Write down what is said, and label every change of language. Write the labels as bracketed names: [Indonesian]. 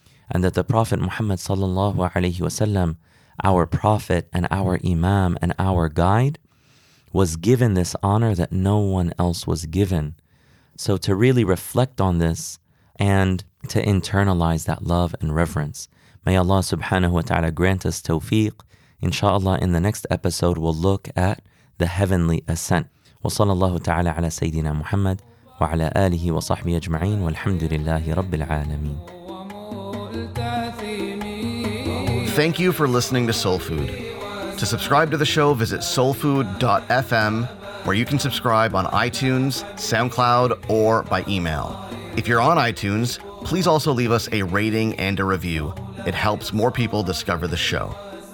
[English] And that the Prophet Muhammad sallallahu alayhi wasallam, our Prophet and our Imam and our guide, was given this honor that no one else was given. So to really reflect on this and to internalize that love and reverence. May Allah subhanahu wa ta'ala grant us tawfiq. Inshallah, in the next episode, we'll look at the heavenly ascent. [Arabic] وصلى الله تعالى على سيدنا محمد وعلى آله وصحبه أجمعين والحمد لله رب العالمين. [English] Thank you for listening to Soul Food. To subscribe to the show, visit soulfood.fm, where you can subscribe on iTunes, SoundCloud, or by email. If you're on iTunes, please also leave us a rating and a review. It helps more people discover the show.